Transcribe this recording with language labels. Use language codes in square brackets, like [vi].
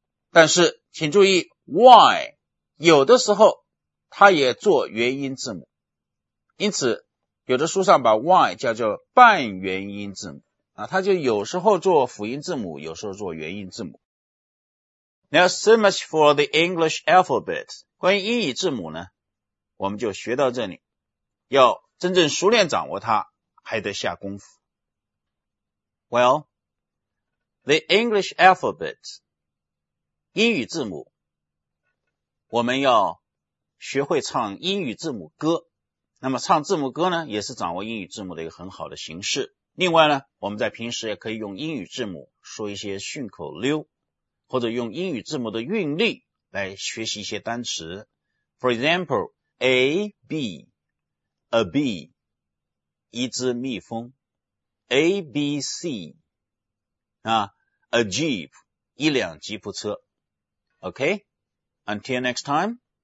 [zh] 但是请注意 Y 有的时候它也做元音字母，因此有的书上把 Y 叫做半元音字母啊，它就有时候做辅音字母，有时候做元音字母。 [en] Now so much for the English alphabet. [zh] 关于英语字母呢，我们就学到这里。要真正熟练掌握它，还得下功夫。 [en] Well, the English alphabet, [zh] 英语字母，我们要学会唱英语字母歌。那么唱字母歌呢，也是掌握英语字母的一个很好的形式。另外呢，我们在平时也可以用英语字母说一些顺口溜，或者用英语字母的韵律来学习一些单词。 [en] For example, A, B, a bee, [zh] 一只蜜蜂。 [en] A, B, C, a jeep, [zh] 一辆吉普车。 [en] Okay, until next time.